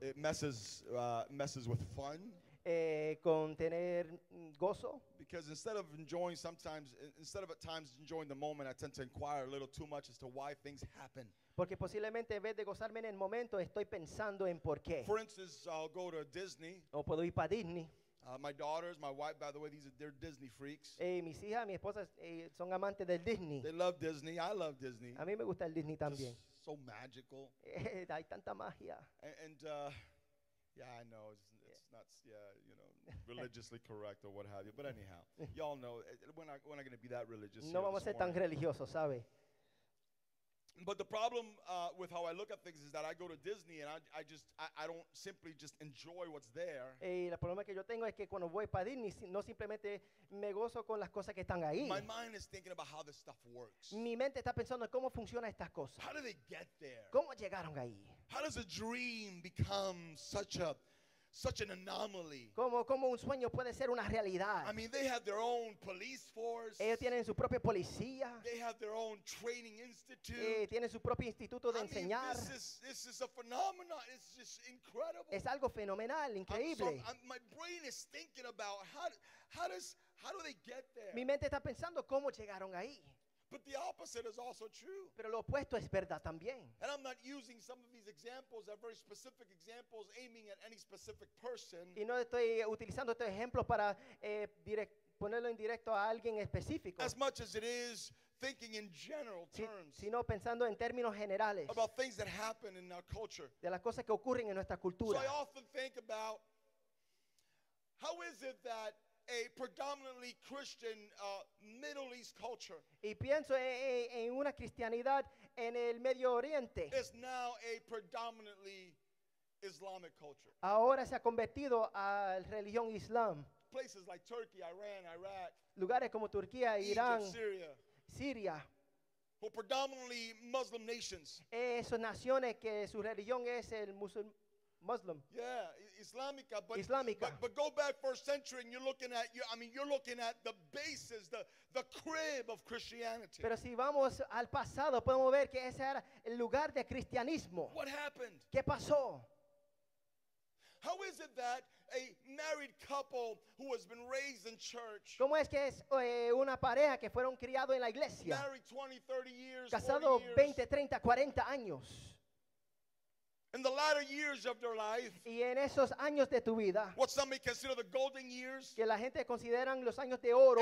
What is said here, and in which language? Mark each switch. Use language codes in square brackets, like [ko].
[en] It messes with fun. [es] Con tener gozo. [en] Because instead of at times enjoying the moment, I tend to inquire a little too much as to why things happen. [es] Porque posiblemente en vez de gozarme en el momento, estoy pensando en por qué. [en] For instance, I'll go to Disney. [es] O puedo ir para Disney. [en] My daughters, my wife, by the way, they're Disney freaks. [es] Mis hijas, mi esposa, son amantes del Disney. [en] They love Disney. I love Disney. [es] A mí me gusta el Disney también. [en] It's so magical. [es] Hay tanta magia. [en] Yeah, I know, it's not religiously correct or what have you. But anyhow, y'all know, we're not going to be that religious. [es] No vamos a ser tan religiosos, ¿sabe? [en] But the problem with how I look at things is that I go to Disney and I don't simply enjoy what's there. [es] El problema que yo tengo es que cuando voy para Disney no simplemente me gozo con las cosas que están ahí. [en] My mind is thinking about how this stuff works. [es] Mi mente está pensando cómo funcionan estas cosas. [en] How did they get there? [es] ¿Cómo llegaron ahí? [en] How does a dream become such an anomaly? [es] ¿Cómo un sueño puede ser una realidad? [en] I mean, they have their own police force. [es] Ellos tienen su propia policía. [en] They have their own training institute. [es] Tienen su propio instituto de enseñar. [en] I mean, this is a phenomenon. It's just incredible. [es] Es algo fenomenal, increíble. [en] My brain is thinking about how do they get there? [es] Mi mente está pensando cómo llegaron ahí. [en] But the opposite is also true. [es] Pero lo opuesto es verdad también. [en] And I'm not using some of these examples, they're very specific examples, aiming at any specific person. [es] Y no estoy utilizando estos ejemplos para ponerlo en directo a alguien específico. [en] As much as it is thinking in general terms. [es] Sino pensando en términos generales. [en] About things that happen in our culture. [es] De las cosas que ocurren en nuestra cultura. [en] So I often think about how is it that a predominantly Christian Middle East culture. [es] Y pienso en una cristianidad en el Medio Oriente. [en] Is now a predominantly Islamic culture. [es] Ahora se ha convertido a religión Islam. [en] Places like Turkey, Iran, Iraq. [es] Lugares como Turquía, [en] Egypt, [es] Irán, [en] Syria. [es] Siria. [en] Who predominantly Muslim nations. [es] Esas naciones que su religión es el Muslim. [en] Yeah, Islamica. But go back first century and you're looking at the basis, the crib of Christianity. [es] Pero si vamos al pasado, podemos ver que ese era el lugar de cristianismo. [en] What happened? [es] ¿Qué pasó? [en] How is it that a married couple who has been raised in church, [es] ¿cómo es que es una pareja que fueron criados en la iglesia? [en] Married 20, 30 years, [es] casado 20, 30, 40 años. [en] In the latter years of their life, [es] y en esos años de tu vida, [en] what some may consider the golden years, [es] que la gente consideran los años de oro,